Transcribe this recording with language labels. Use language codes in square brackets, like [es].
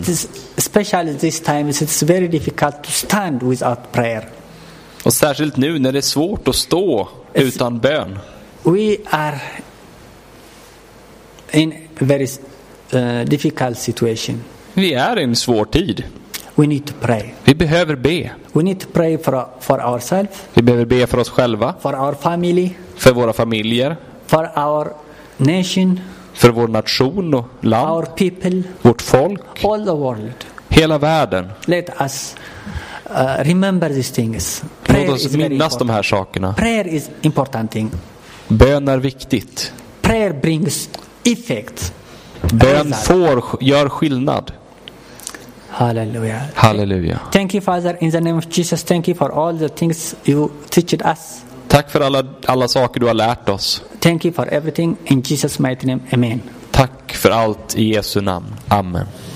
[en] It is especially this time it's very difficult to stand without prayer. [sv] Och särskilt nu när det är svårt att stå utan bön. [en] We are in very difficult situation. [sv] Vi är i en svår tid. [en] We need to pray. [sv] Vi behöver be. [en] We need to pray for ourselves. [sv] Vi behöver be för oss själva. [en] For our family. [sv] För våra familjer. [en] For our nation. [sv] För vår nation och land. [en] Our people. [sv] Vårt folk. [en] All the world. [sv] Hela världen. [en] Let us remember these things. Prayer. [sv] Låt oss minnas de här sakerna. [en] Prayer is important thing. [sv] Bön är viktigt. [en] Prayer brings effect. [sv] Bön får gör skillnad. Halleluja. Halleluja. [en] Thank you Father in the name of Jesus. Thank you for all the things you taught us. [sv] Tack för alla saker du har lärt oss. [en] Thank you for everything in Jesus mighty name. Amen. [sv] Tack för allt i Jesu namn. Amen.